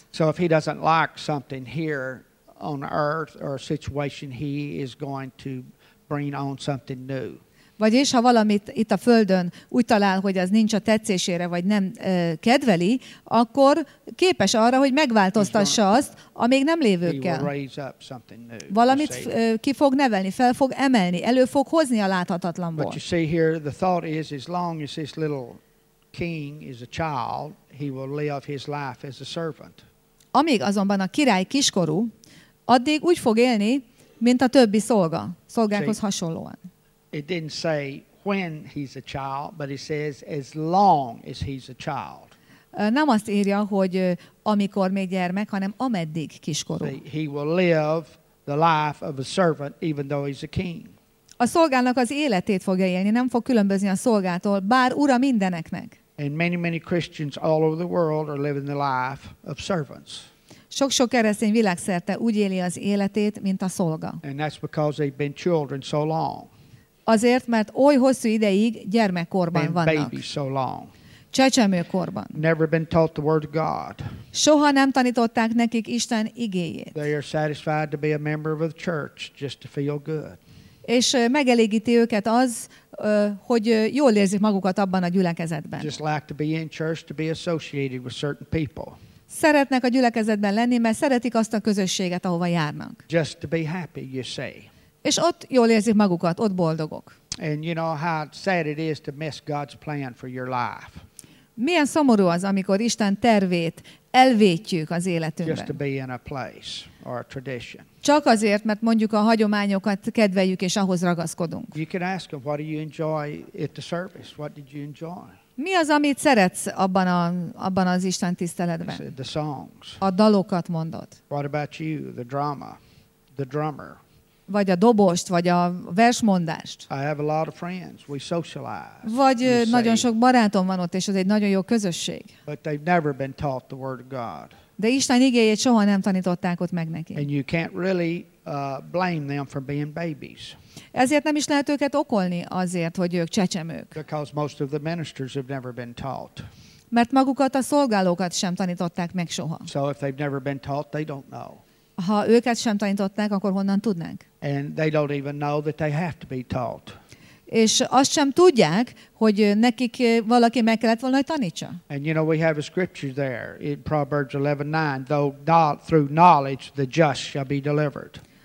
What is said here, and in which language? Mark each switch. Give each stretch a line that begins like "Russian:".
English: So if he doesn't like something here on earth or a situation, he is going to bring on something new.
Hungarian: Vagyis, ha valamit itt a Földön úgy talál, hogy az nincs a tetszésére, vagy nem kedveli, akkor képes arra, hogy megváltoztassa azt, a még nem lévőkkel. Valamit ki fog nevelni, fel fog emelni, elő fog hozni a láthatatlanból.
English: But you see here, the thought is, as long as this little king is a child, he will live his life as a servant.
Hungarian: Amíg azonban a király kiskorú, addig úgy fog élni, mint a többi szolga, szolgákhoz hasonlóan.
English: It didn't say when he's a child, but it says as long as he's a child.
Hungarian: Nem azt írja, hogy amikor még gyermek, hanem ameddig kiskorú.
English: He will live the life of a servant, even though he's a king.
Hungarian: A szolgának az életét fogja élni, nem fog különbözni a szolgától, bár ura mindeneknek.
English: And many, many Christians all over the world are living the life of servants.
Hungarian: Sok-sok keresztény világszerte úgy éli az életét, mint a szolga.
English: And that's because they've been children so long.
Hungarian: Azért, mert oly hosszú ideig gyermekkorban vannak.
English: So
Hungarian: csecsemőkorban.
English: Never been taught the word of God.
Hungarian: Soha nem tanították nekik Isten igéjét.
English: They are satisfied to be a member of the church just to feel good.
Hungarian: És megelégíti őket az, hogy jól érzik magukat abban a gyülekezetben.
English: Just like to be in church to be associated with certain people.
Hungarian: Szeretnek a gyülekezetben lenni, mert szeretik azt a közösséget, ahova járnak.
English: Just to be happy, you say.
Hungarian: És ott jól érzik magukat, ott boldogok.
English: And you know how sad it is to miss God's plan for your life.
Hungarian: Milyen szomorú az, amikor Isten tervét elvétjük az életünkben.
English: Just to be in a place or a tradition.
Hungarian: Csak azért, mert mondjuk a hagyományokat kedveljük és ahhoz ragaszkodunk.
English: You can ask them, what do you enjoy at the service? What did you enjoy?
Hungarian: Mi az, amit szeretsz abban az Isten tiszteletben?
English: The songs.
Hungarian: A dalokat mondod.
English: What about you? The drama. The drummer.
Hungarian: Vagy a dobost, vagy a versmondást.
English: I have a lot of friends. We socialize.
Hungarian: Vagy nagyon sok barátom van ott, és ez egy nagyon jó közösség.
English: But they've never been taught the word of God.
Hungarian: De Isten igéjét soha nem tanították ott meg neki.
English: And you can't really blame them for being babies.
Hungarian: Ezért nem is lehet őket okolni azért, hogy ők csecsemők.
English: Because most of the ministers have never been taught.
Hungarian: Mert magukat a szolgálókat sem tanították meg soha.
English: So if they've never been taught, they don't know.
Hungarian: Ha őket sem tanították, akkor honnan tudnánk?
English: And they don't even know that they have to be taught.
Hungarian: És azt sem tudják, hogy nekik valaki meg kellett volna, hogy tanítsa.
English: And you know we have a scripture there in Proverbs 11:9, though not through knowledge the just shall be delivered.